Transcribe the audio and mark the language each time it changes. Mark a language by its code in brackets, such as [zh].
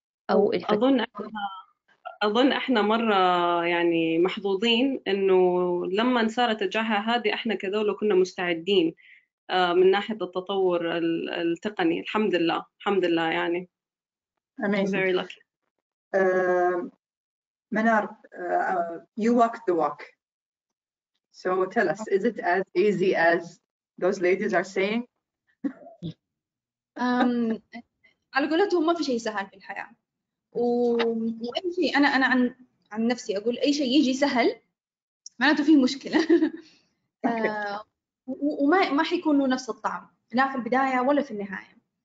[ar] أو أظن إحنا مرة يعني محظوظين إنه لما صارت الجائحة هذه إحنا كدولة كنا مستعدين من ناحية التطور التقني. الحمد لله الحمد لله، يعني [en] Amazing. Very lucky. منار you walk the walk. So tell us, is it as easy as those ladies are saying? [ar] على قولتهم ما في شيء سهل في الحياة. وأي شيء أنا عن نفسي أقول أي شيء يجي سهل معناته فيه مشكلة. وما حيكونوا نفس الطعم لا في البداية ولا في النهاية.